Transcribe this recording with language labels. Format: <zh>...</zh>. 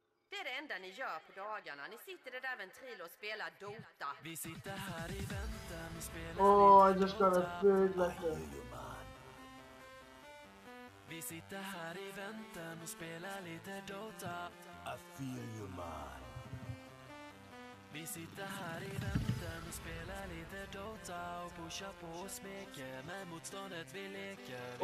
<sv>Det är det enda ni gör på dagarna. Ni sitter där även trill och spelar Dota. Vi sitter här i väntan och spelar Dota.</sv> <en>Oh, I just got a big letter.</en> <sv>Vi sitter här i väntan och spelar lite Dota.</sv> <en>I feel you, man.</en> <sv>Vi sitter här i väntan och spelar lite Dota och pushar på och smeker med motståndet vi leker.</sv>